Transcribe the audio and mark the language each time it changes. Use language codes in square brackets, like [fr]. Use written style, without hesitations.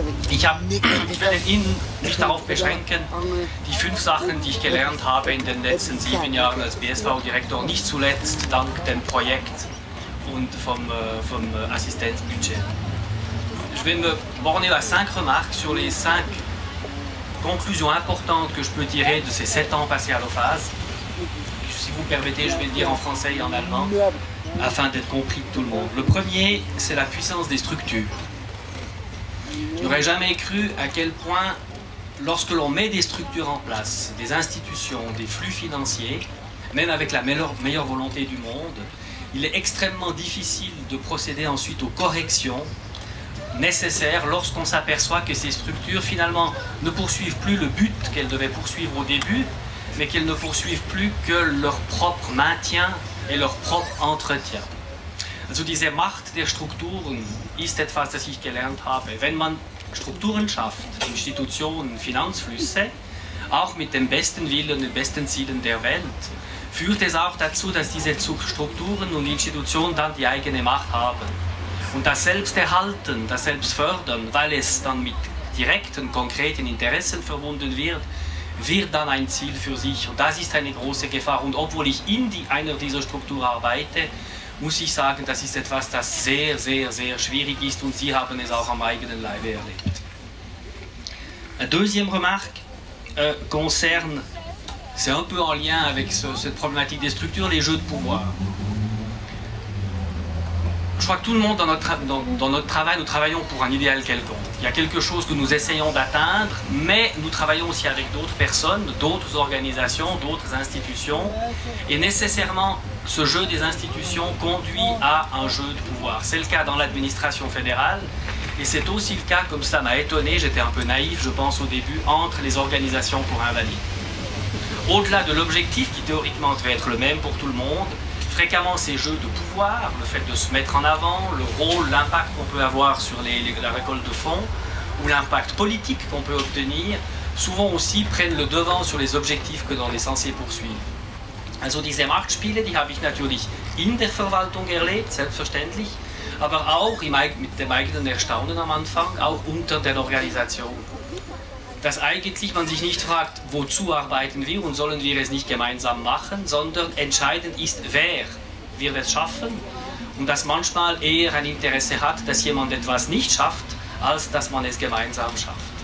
[de] Ich habe, ich werde ihn mich darauf beschränken, die 5 Sachen, die ich gelernt habe in den letzten 7 Jahren als BSV-Direktor, nicht zuletzt dank dem Projekt und vom Assistenzbudget. [fr] Je vais me borner à 5 remarques sur les 5 conclusions importantes que je peux tirer de ces 7 ans passés à l'OFAS. Si vous permettez, je vais le dire en français et en allemand, afin d'être compris de tout le monde. Le premier, c'est la puissance des structures. Je n'aurais jamais cru à quel point, lorsque l'on met des structures en place, des institutions, des flux financiers, même avec la meilleure volonté du monde, il est extrêmement difficile de procéder ensuite aux corrections nécessaires lorsqu'on s'aperçoit que ces structures, finalement, ne poursuivent plus le but qu'elles devaient poursuivre au début, mais qu'elles ne poursuivent plus que leur propre maintien et leur propre entretien. [de] Also diese Macht der Strukturen ist etwas, das ich gelernt habe. Wenn man Strukturen schafft, Institutionen, Finanzflüsse, auch mit dem besten Willen, den besten Zielen der Welt, führt es auch dazu, dass diese Strukturen und Institutionen dann die eigene Macht haben. Und das Selbsterhalten, das Selbstfördern, weil es dann mit direkten, konkreten Interessen verbunden wird, wird dann ein Ziel für sich. Und das ist eine große Gefahr. Und obwohl ich in einer dieser Strukturen arbeite, muss ich sagen, das ist etwas, das sehr, sehr, sehr schwierig ist. Und Sie haben es auch am eigenen Leibe erlebt. Eine [fr] deuxième remarque concerne, c'est un peu en lien avec cette problématique des structures, les jeux de pouvoir. Je crois que tout le monde dans notre travail, nous travaillons pour un idéal quelconque. Il y a quelque chose que nous essayons d'atteindre, mais nous travaillons aussi avec d'autres personnes, d'autres organisations, d'autres institutions. Et nécessairement, ce jeu des institutions conduit à un jeu de pouvoir. C'est le cas dans l'administration fédérale, et c'est aussi le cas, comme ça m'a étonné, j'étais un peu naïf, je pense, au début, entre les organisations pour invalides. Au-delà de l'objectif qui théoriquement devait être le même pour tout le monde, fréquemment, ces jeux de pouvoir, le fait de se mettre en avant, le rôle, l'impact qu'on peut avoir sur la récolte de fonds, ou l'impact politique qu'on peut obtenir, souvent aussi prennent le devant sur les objectifs que l'on est censé poursuivre. [de] Also diese Machtspiele, die habe ich natürlich in der Verwaltung erlebt, selbstverständlich, aber auch mit dem eigenen Erstaunen am Anfang, auch unter den Organisationen. Dass eigentlich man sich nicht fragt, wozu arbeiten wir und sollen wir es nicht gemeinsam machen, sondern entscheidend ist, wer wird es schaffen und dass manchmal eher ein Interesse hat, dass jemand etwas nicht schafft, als dass man es gemeinsam schafft.